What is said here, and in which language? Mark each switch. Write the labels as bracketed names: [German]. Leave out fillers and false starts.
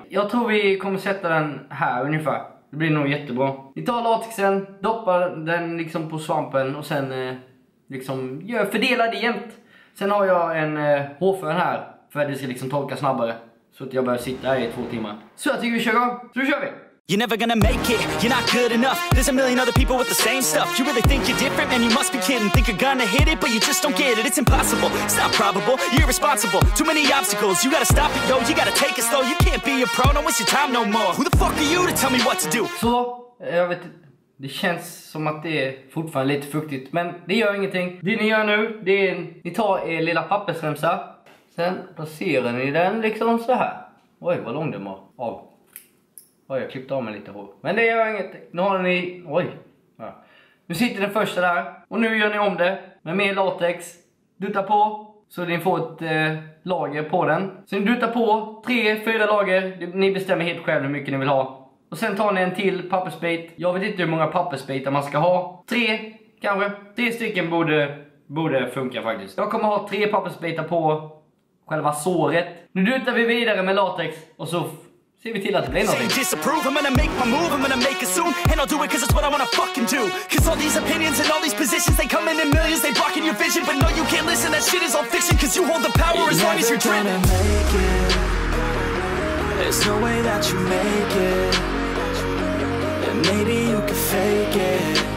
[Swedish] Jag tror vi kommer sätta den här ungefär. Det blir nog jättebra. Vi tar latexen, doppar den liksom på svampen och sen liksom gör fördela det jämnt. Sen har jag en hårfön här för att det ska liksom torka snabbare. Så att jag behöver sitta här i 2 timmar. Så jag tycker vi kör igång. Så kör vi! [English] You're never gonna make it, you're not good enough. There's a million other people with the same stuff. You really think you're different, man, you must be kidding. Think you're gonna hit it, but you just don't get it. It's impossible, it's not probable, you're irresponsible. Too many obstacles, you gotta stop it, yo. You gotta take it slow, you can't be a pro. Don't waste your time no more. Who the fuck are you to tell me what to do? [Swedish] Så, jag vet, det känns som att det är fortfarande lite fuktigt. Men det gör ingenting. Det ni gör nu, det är, ni tar er lilla pappersremsa. Sen placerar ni den liksom så här. Oj, vad lång den var av. Oj, jag klippte av mig lite hår. Men det gör inget. Nu har ni... Oj. Ja. Nu sitter den första där. Och nu gör ni om det. Med mer latex. Dutta på. Så ni får ett lager på den. Så ni duttar på 3-4 lager. Ni bestämmer helt själv hur mycket ni vill ha. Och sen tar ni en till pappersbit. Jag vet inte hur många pappersbitar man ska ha. 3 kanske. 3 stycken borde funka faktiskt. Jag kommer ha 3 pappersbitar på själva såret. Nu duttar vi vidare med latex. Och så... Ser vi till att det blir någonting. [English] Disapprove, I'm gonna make my move, I'm gonna make it soon. And I'll do it cause it's what I wanna fucking do. Cause all these opinions and all these positions, they come in millions, they blocking your vision. But no, you can't listen, that shit is all fiction. Cause you hold the power as long as you're dreaming. You're never gonna make it. There's no way that you make it. And maybe you can fake it.